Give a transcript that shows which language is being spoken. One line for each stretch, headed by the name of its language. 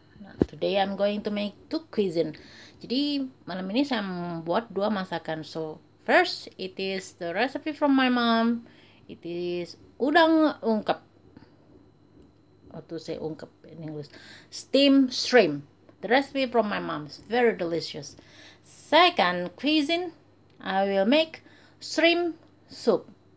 English: Nah, today I'm going to make two cuisine.
Indonesian: Jadi malam ini saya membuat dua masakan.
English: So first it is the recipe from my mom. It is udang ungkep. Or to say ungkep in English, steam shrimp. The recipe from my mom is very delicious. Second cuisine, I will make shrimp soup.